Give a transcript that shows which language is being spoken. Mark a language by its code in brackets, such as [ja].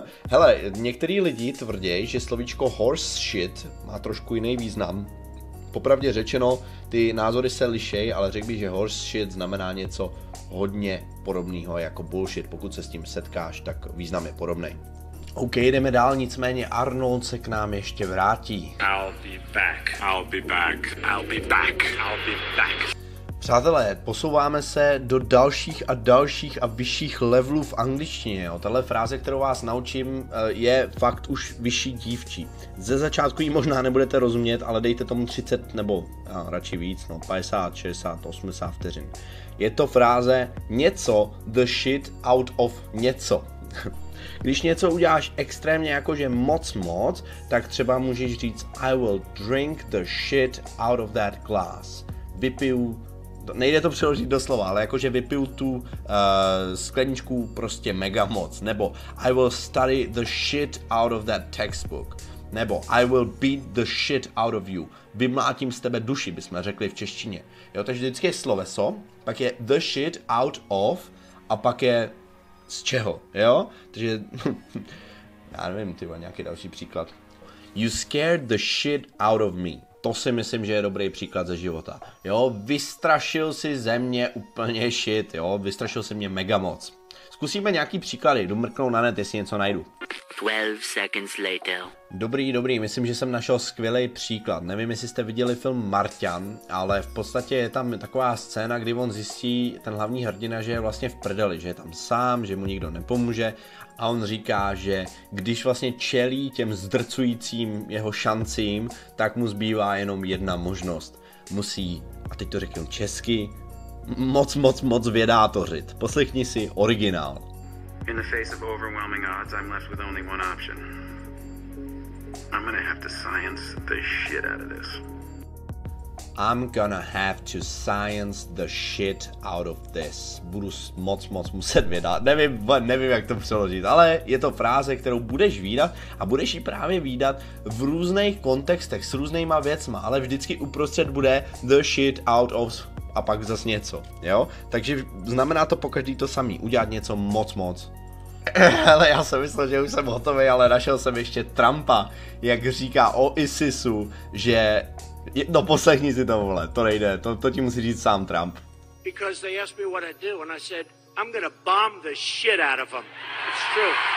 [cs] Hele, některý lidi tvrdí, že slovíčko horse shit má trošku jiný význam. Popravdě řečeno, ty názory se liší, ale řekl bych, že horse shit znamená něco hodně podobného jako bullshit. Pokud se s tím setkáš, tak význam je podobný. OK, jdeme dál, nicméně Arnold se k nám ještě vrátí. [en] I'll be back, I'll be back, I'll be back, I'll be back. [cs] Přátelé, posouváme se do dalších a vyšších levelů v angličtině. Jo. Tahle fráze, kterou vás naučím, je fakt už vyšší dívčí. Ze začátku ji možná nebudete rozumět, ale dejte tomu 30 nebo radši víc, no 50, 60, 80 vteřin. Je to fráze něco [en] the shit out of [cs] něco. Když něco uděláš extrémně jakože moc, tak třeba můžeš říct [en] I will drink the shit out of that glass. [cs] Vypiju. Nejde to přeložit do slova, ale jakože vypiju tu skleničku prostě mega moc. Nebo [en] I will study the shit out of that textbook. [cs] Nebo [en] I will beat the shit out of you. [cs] Vymlátím z tebe duši, bychom řekli v češtině. Jo, takže vždycky je sloveso, pak je [en] the shit out of [cs] a pak je z čeho, jo? Takže, já nevím, tyhle nějaký další příklad. [en] You scared the shit out of me. [cs] To si myslím, že je dobrý příklad ze života. Jo, vystrašil si ze mě úplně shit, jo, vystrašil si mě mega moc. Zkusíme nějaký příklady, jdu mrknout na net, jestli něco najdu. [en] 12 seconds later. [cs] Dobrý, myslím, že jsem našel skvělý příklad. Nevím, jestli jste viděli film Marťan, ale v podstatě je tam taková scéna, kdy on zjistí, ten hlavní hrdina, že je vlastně v prdeli, že je tam sám, že mu nikdo nepomůže. A on říká, že když vlastně čelí těm zdrcujícím jeho šancím, tak mu zbývá jenom jedna možnost. Musí, a teď to řeknu česky, moc vědátořit. Poslechni si originál. [en] In the face of overwhelming odds, I'm left with only one option. I'm gonna have to science the shit out of this. I'm gonna have to science the shit out of this. [cs] Budu moc muset vydat. Nevím, jak to přeložit, ale je to fráze, kterou budeš vídat a budeš ji právě vídat v různých kontextech s různýma věcma, ale vždycky uprostřed bude [en] the shit out of [cs] a pak zas něco, jo? Takže znamená to pokaždý to samý, udělat něco moc. Ale já jsem myslel, že už jsem hotový, ale našel jsem ještě Trumpa, jak říká o ISISu, že No poslechni si to, vole, to nejde, to ti musí říct sám Trump. [en] Because they asked me what I do and I said, I'm gonna bomb the shit out of them. It's true.